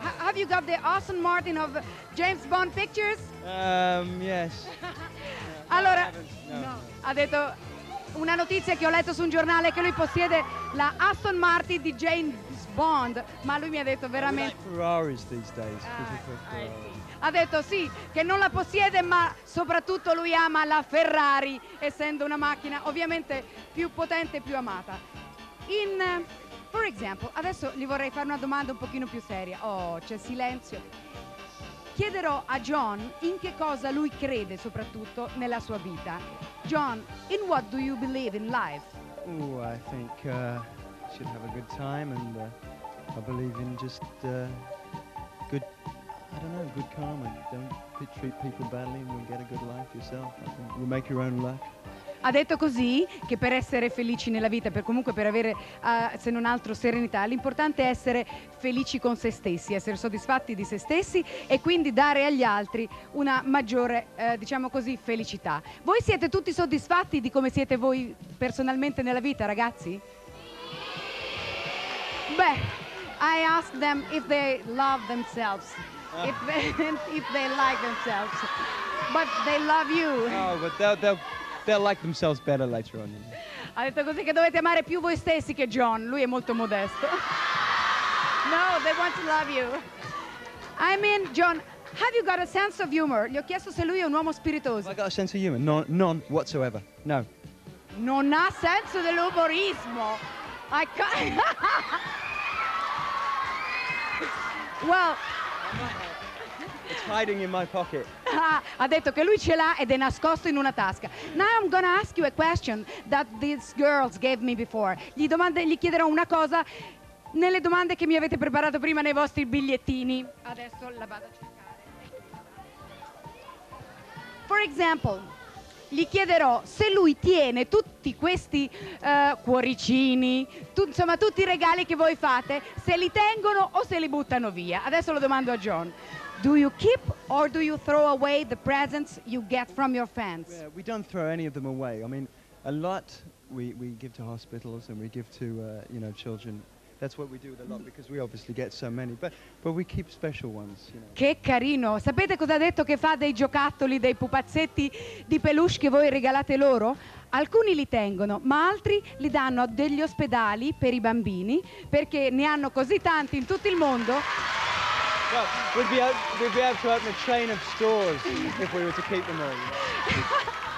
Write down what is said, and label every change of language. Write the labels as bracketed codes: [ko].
[en] Have you got the Aston Martin of James Bond pictures? Yes. [it] Allora, ha detto una notizia che ho letto su un giornale, che lui possiede la Aston Martin di James Bond, ma lui mi ha detto veramente... [en] We like Ferraris these days. [it] Ha detto sì, che non la possiede, ma soprattutto lui ama la Ferrari, essendo una macchina ovviamente più potente e più amata. [en] In, for example, [it] adesso gli vorrei fare una domanda un pochino più seria. Oh, c'è silenzio. Chiederò a John in che cosa lui crede soprattutto nella sua vita. [en] John, in what do you believe in life? Oh, I think should have a good time and I believe in just good, I don't know, good karma. Don't treat people badly and you'll get a good life yourself. You make your own luck. [it] Ha detto così che per essere felici nella vita, per comunque per avere se non altro serenità, l'importante è essere felici con se stessi, essere soddisfatti di se stessi e quindi dare agli altri una maggiore, diciamo così, felicità. Voi siete tutti soddisfatti di come siete voi personalmente nella vita, ragazzi? [en] Beh, I asked them if they love themselves, if they like themselves, but they love you. No, but they'll like themselves better later on. [it] Ha detto così che dovete amare più voi stessi che John. Lui è molto modesto. [en] No, they want to love you. I mean, John, have you got a sense of humor? [it] Gli ho chiesto se lui è un uomo spiritoso. [en] I got a sense of humor? None whatsoever. No. [it] Non ha senso dell'umorismo. [en] I can't. Well. It's hiding in my pocket. [it] Ha detto che lui ce l'ha ed è nascosto in una tasca. [en] Now I'm gonna ask you a question that these girls gave me before. [it] Gli chiederò una cosa nelle domande che mi avete preparato prima nei vostri bigliettini. Adesso la vado a cercare. [en] For example, [it] gli chiederò se lui tiene tutti questi cuoricini, insomma tutti i regali che voi fate, se li tengono o se li buttano via. Adesso lo domando a John. [en] Do you keep or do you throw away the presents you get from your fans? Yeah, we don't throw any of them away. I mean, a lot we give to hospitals and we give to you know, children. That's what we do with a lot because we obviously get so many. But we keep special ones. You know. [it] Che carino! Sapete cosa ha detto che fa dei giocattoli, dei pupazzetti di peluche che voi regalate loro? Alcuni li tengono, ma altri li danno a degli ospedali per i bambini perché ne hanno così tanti in tutto il mondo. [en] Well, we'd be able to open a chain of stores if we were to keep them all.